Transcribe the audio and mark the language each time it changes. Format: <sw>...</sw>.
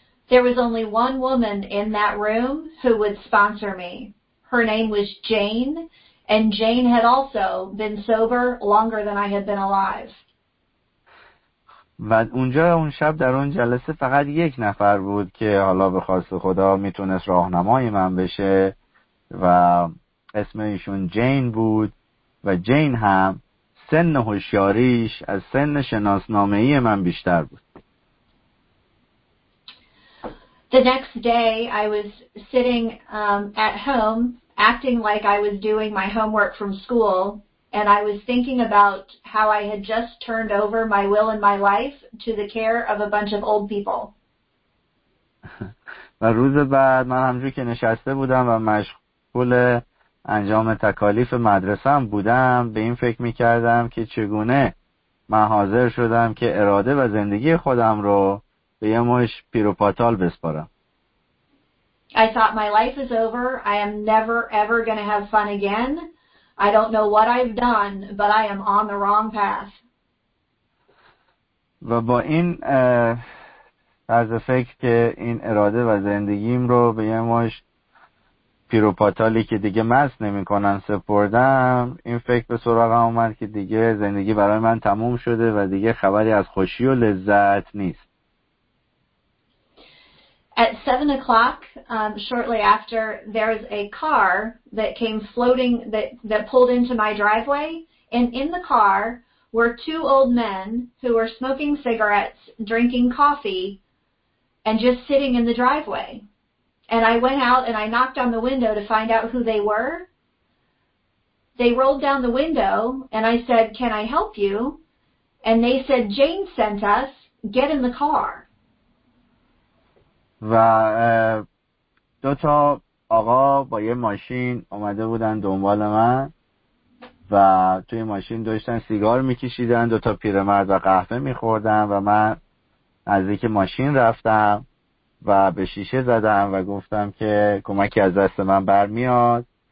<en>There was only one woman in that room who would sponsor me. Her name was Jane, and Jane had also been sober longer than I had been alive.</en> <fa>و اونجا اون شب در اون جلسه فقط یک نفر بود که حالا به خواست خدا میتونست راهنمای من بشه و اسم ایشون جین بود و جین هم سن هوشیاریش از سن شناسنامه‌ای من بیشتر بود.</fa> <en>The next day I was sitting at home acting like I was doing my homework from school. And I was thinking about how I had just turned over my will and my life to the care of a bunch of old people.</en> <fa>و روز بعد من همجور که نشسته بودم و مشغول انجام تکالیف مدرسه‌ام بودم، به این فکر می‌کردم که چگونه من حاضر شدم که اراده و زندگی خودم رو به یه مش پیروپاتال بسپارم.</fa> <en>I thought my life is over. I am never ever going to have fun again. I don't know what I've done, but I am on the wrong path.</en> <fa>و با این طرز فکر که این اراده و زندگیم رو به یه مش پیروپاتالی که دیگه مست نمی کنن سپردم، این فکر به سراغم اومد که دیگه زندگی برای من تموم شده و دیگه خبری از خوشی و لذت نیست.</fa> <en>At 7 o'clock, shortly after, there's a car that came floating, that pulled into my driveway, and in the car were two old men who were smoking cigarettes, drinking coffee, and just sitting in the driveway. And I went out and I knocked on the window to find out who they were. They rolled down the window, and I said, "Can I help you?" And they said, "Jane sent us. Get in the car."</en> <fa>و دو تا آقا با یه ماشین اومده بودن دنبال من و توی ماشین داشتن سیگار میکشیدن، دو تا پیرمرد و قهوه میخوردن و من نزدیک ماشین رفتم و به شیشه زدم و گفتم که کمکی از دست من برمیاد.</fa>